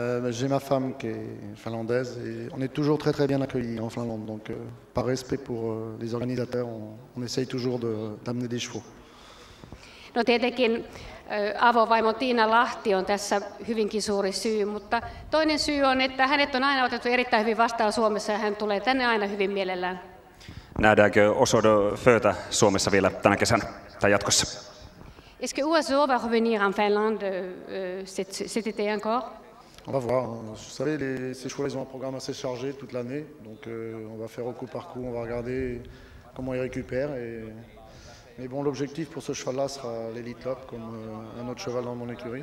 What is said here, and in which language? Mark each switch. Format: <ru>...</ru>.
<fr>J'ai ma femme qui est finlandaise et on est toujours très très bien accueillis en Finlande. Donc par respect pour les organisateurs, on essaye toujours d'amener des chevaux.</fr> <fi>No tietenkin avovaimo Tiina Lahti on tässä hyvinkin suuri syy, mutta toinen syy on, että hänet on aina otettu erittäin hyvin vastaan Suomessa ja hän tulee tänne aina hyvin mielellään. Nähdäänkö Oso de Vöötä Suomessa vielä tänä kesänä tai jatkossa?</fi> <fr>Est-ce que Oso va revenir en Finlande cet été encore? On va voir. Vous savez, ces chevaux, ils ont un programme assez chargé toute l'année. Donc on va faire au coup par coup, on va regarder comment ils récupèrent. Mais bon, l'objectif pour ce cheval-là sera l'Elitlopp, comme un autre cheval dans mon écurie.</fr>